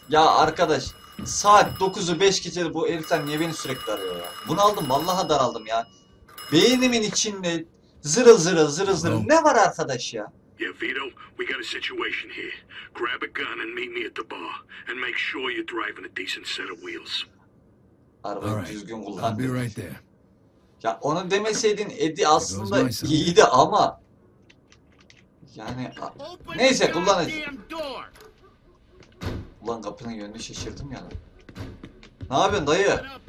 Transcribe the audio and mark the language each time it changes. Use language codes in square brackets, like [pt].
[tr] Ya arkadaş saat 9'u 5 geçeri bu herifler niye beni sürekli arıyor ya? Bunaldım vallahi daraldım ya. Beynimin içinde zırıl zırıl zırıl zırıl ne var arkadaş ya? [en] Yeah, Vito, we got a situation here. Grab a gun and meet me at the bar. And make sure you're driving a decent set of wheels. [tr] Arabayı [en] right. [tr] Düzgün kullan. [en] I'll be right there. [tr] Ya ona demeseydin Eddie aslında iyiydi ama yani neyse kullanacağım. Ulan kapının yönünü şaşırdım ya. Ne yapıyorsun dayı?